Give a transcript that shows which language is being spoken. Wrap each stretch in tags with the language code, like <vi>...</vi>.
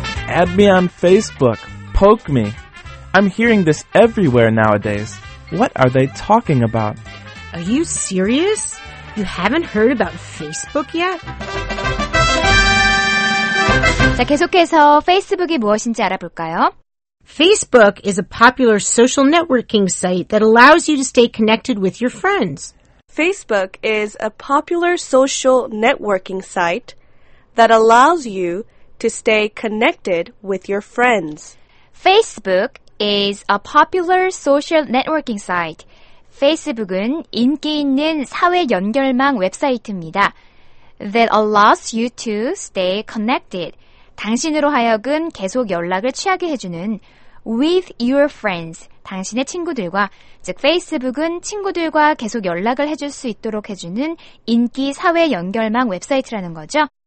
<en>Add me on Facebook. Poke me. I'm hearing this everywhere nowadays. What are they talking about? Are you serious? You haven't heard about Facebook yet?</en> <ko>자, 계속해서 페이스북이 무엇인지 알아볼까요?</ko> <en>Facebook is a popular social networking site that allows you to stay connected with your friends. Facebook is a popular social networking site that allows you to stay connected with your friends. Facebook is a popular social networking site.</en> <ko>페이스북은 인기 있는 사회 연결망 웹사이트입니다.</ko> <en>That allows you to stay connected.</en> <ko>당신으로 하여금 계속 연락을 취하게 해주는</ko> <en>with your friends,</en> <ko>당신의 친구들과, 즉 페이스북은 친구들과 계속 연락을 해줄 수 있도록 해주는 인기 사회 연결망 웹사이트라는 거죠.</ko>